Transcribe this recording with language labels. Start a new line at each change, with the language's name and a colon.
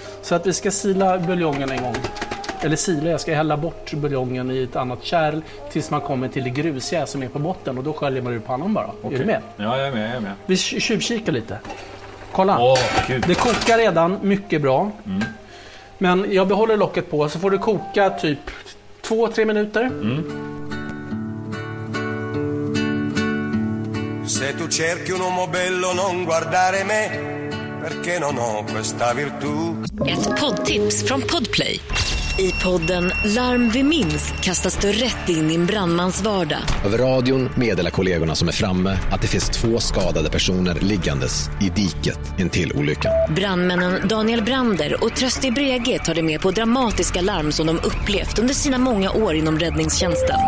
Swedish: Så att vi ska sila buljongen en gång. Eller sila, jag ska hälla bort buljongen i ett annat kärl tills man kommer till det grusiga som är på botten, och då sköljer man ur pannan bara. Okay. Är du med? Ja, jag är med. Vi tjuvkikar lite. Kolla. Åh, Gud. Det kokar redan mycket bra. Mm. Men jag behåller locket på, så får du koka typ 2-3 minuter. Mm.
Italian: Se tu cerchi un uomo bello non guardare me, perché non ho questa virtù.
Swedish: Ett poddtips från Podplay. I podden Larm vi minns kastas du rätt in i en brandmans vardag. Över radion meddelar kollegorna som är framme att det finns 2 skadade personer liggandes i diket in till olyckan. Brandmännen Daniel Brander och Trösti Brege tar dig med på dramatiska larm som de upplevt under sina många år inom räddningstjänsten.